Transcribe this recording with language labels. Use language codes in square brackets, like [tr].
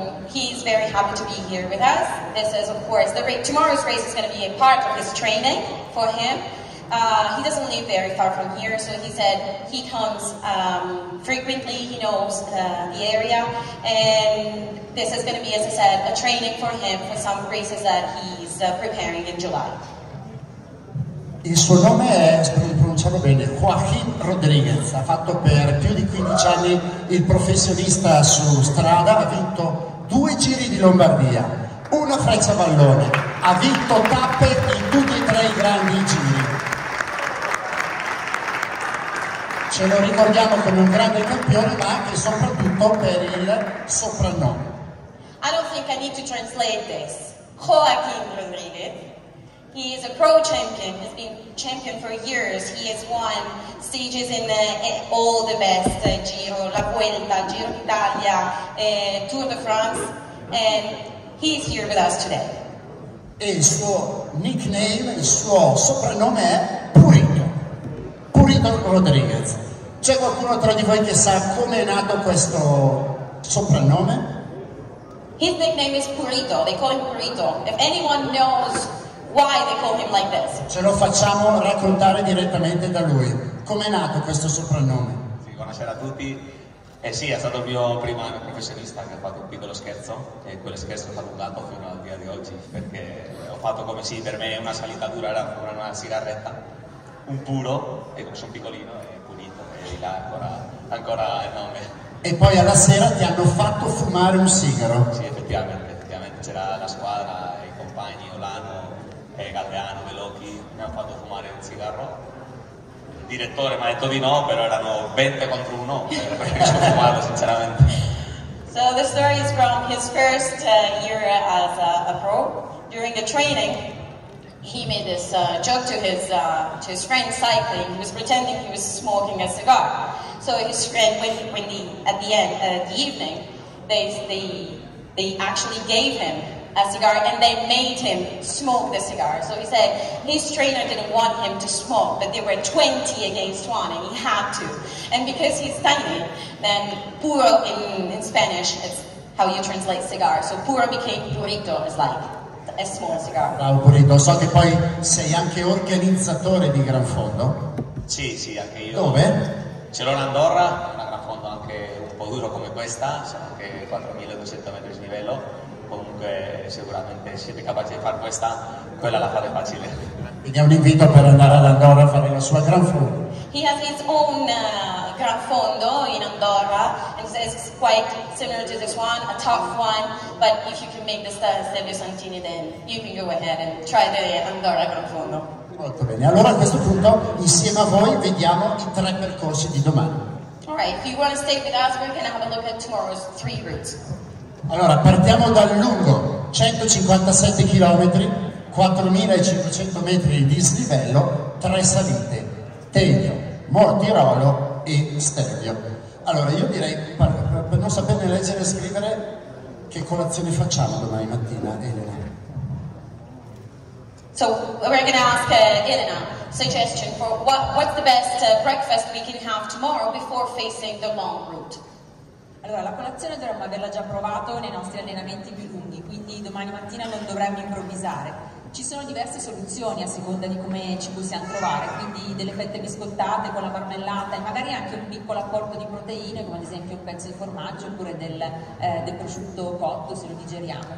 [en] He's very happy to be here with us. This is, of course, tomorrow's race is going to be a part of his training for him. He doesn't live very far from here, so he said he comes frequently, he knows the area, and this is going to be, as I said, a training for him for some races that he's preparing in July. [it] Il suo nome è, spero di pronunciarlo bene, Joaquin Rodriguez. Ha fatto per più di 15 anni il professionista su strada, ha vinto 2 giri di Lombardia, 1 freccia vallone, ha vinto tappe in tutti e 3 i grandi giri. Ce lo ricordiamo come un grande campione, ma anche e soprattutto per il soprannome. [en] I don't think I need to translate this. Joaquin Rodriguez, he is a pro champion, has been champion for years. He has won stages in all the best, Giro, La Vuelta, Giro d'Italia, Tour de France, and he's here with us today. [it] E il suo nickname, il suo soprannome è Purito. Purito Rodriguez. C'è qualcuno tra di voi che sa come è nato questo soprannome? [en] His nickname is Purito. They call him Purito. If anyone knows why they call him like this. [it] Ce lo facciamo raccontare direttamente da lui. Come è nato questo soprannome? Sì, buonasera a tutti. Eh sì, è stato il mio primo anno professionista che ha fatto un piccolo scherzo e quel scherzo è allungato fino al dia di oggi perché ho fatto come sì, per me una salita dura era una sigaretta, un puro, e sono piccolino e pulito e di là ancora il nome. E poi alla sera ti hanno fatto fumare un sigaro? Sì, effettivamente c'era la squadra, i compagni, Olano, Galdeano, Velocchi, mi hanno fatto fumare un sigaro. Direttore mi ha detto di no, però erano 20 contro 1, perché sono fumato sinceramente. [en] So the story is from his first year as a pro. During the training, he made this joke to his friend cycling, who was pretending he was smoking a cigar. So his friend, at the end of the evening, they actually gave him a cigar and they made him smoke the cigar. So he said his trainer didn't want him to smoke, but they were 20 against 1 and he had to. And because he's tiny, then puro in Spanish is how you translate cigar. So puro became burrito, is like a small cigar. [it] Bravo burrito, so che poi sei anche organizzatore di Gran Fondo. Sì, sì, anche io. Dove? Ce l'ho in Andorra, una Gran Fondo anche un po' duro come questa, sono anche 4200 metri di livello. Comunque sicuramente siete capaci di fare questa, quella la fate facile. Quindi è un invito per andare ad Andorra a fare la sua Gran Fondo. [en] He has his own Gran Fondo in Andorra and says it's quite similar to this one, a tough one, but if you can make the Stelvio Santini then you can go ahead and try the Andorra Gran Fondo. [it] Molto bene, allora a questo punto insieme a voi vediamo i tre percorsi di domani. [en] Alright, if you want to stay with us we're going to have a look at tomorrow's three routes. [it] Allora, partiamo dal lungo, 157 km, 4500 metri di dislivello, tre salite, Tenio, Mortirolo e Stelvio. Allora, io direi, per non saperne leggere e scrivere, che colazione facciamo domani mattina, Elena? [en] So, we're going to ask Elena suggestion for what's the best breakfast we can have tomorrow before facing the long route. [it] Allora, la colazione dovremmo averla già provato nei nostri allenamenti più lunghi, quindi domani mattina non dovremmo improvvisare. Ci sono diverse soluzioni a seconda di come ci possiamo trovare, quindi delle fette biscottate con la marmellata e magari anche un piccolo apporto di proteine, come ad esempio un pezzo di formaggio oppure del prosciutto cotto se lo digeriamo.